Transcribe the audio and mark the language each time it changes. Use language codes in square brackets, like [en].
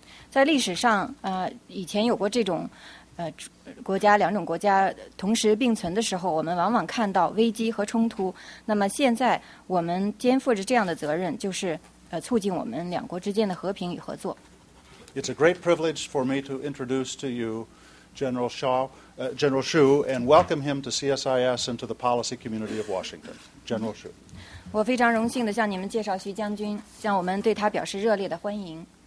[zh] 在历史上，以前有过这种国家两种国家同时并存的时候，我们往往看到危机和冲突。那么现在我们肩负着这样的责任，就是促进我们两国之间的和平与合作。 [en] It's a great privilege for me to introduce to you General Shaw, General Xu, and welcome him to CSIS and to the policy community of Washington. General Xu. [zh] 我非常荣幸地向你们介绍徐将军，向我们对他表示热烈的欢迎。